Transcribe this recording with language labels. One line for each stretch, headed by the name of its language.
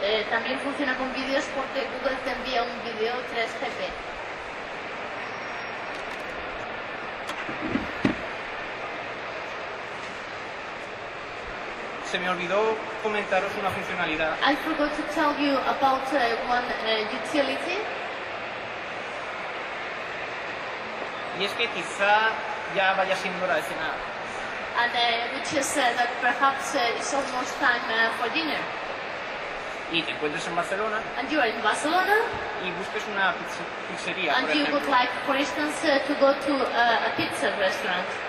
Spanish: También funciona con vídeos porque Google te envía un vídeo 3GP. Se me olvidó comentaros una funcionalidad.
English: I forgot to tell you about one utility.
Spanish: Y es que quizá ya vaya siendo hora de cenar.
English: And which is that perhaps it's almost time for dinner.
Spanish: Y te encuentres en Barcelona.
English: And you are in Barcelona.
Spanish: Y busques una pizzería.
English: And you would like, for instance, to go to a pizza restaurant.